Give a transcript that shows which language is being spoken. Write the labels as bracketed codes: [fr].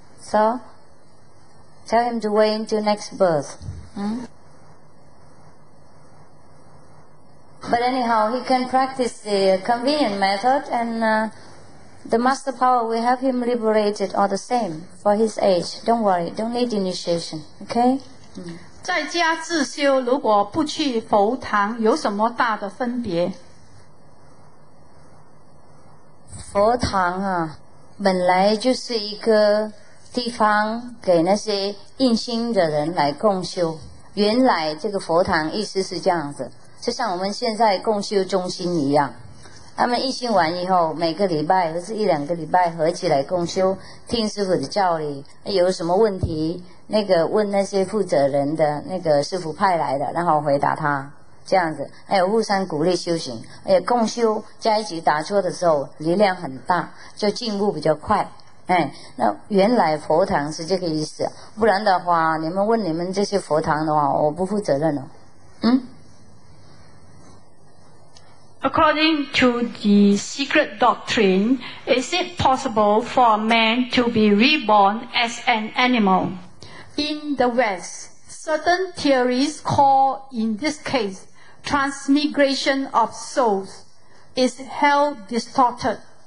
[en] So tell him to wait until next birth. But anyhow, he can practice the convenient method, and the master power will have him liberated all the same for his age. Don't worry, don't need initiation, okay? [zh] 在家自修，如果不去佛堂，有什么大的分别？佛堂啊，本来就是一个地方给那些印心的人来共修。原来这个佛堂意思是这样子，就像我们现在共修中心一样。他们印心完以后，每个礼拜或是一两个礼拜合起来共修，听师父的教理，有什么问题？那个问那些负责人的那个师父派来的，然后回答他这样子，还有互相鼓励修行，还有共修加一起打坐的时候，力量很大，就进步比较快。哎，那原来佛堂是这个意思，不然的话，你们问你们这些佛堂的话，我不负责任了。嗯。 [en] According to the secret doctrine, is it possible for a man to be reborn as an animal? In the West, certain theories call, in this case, transmigration of souls, is held distorted.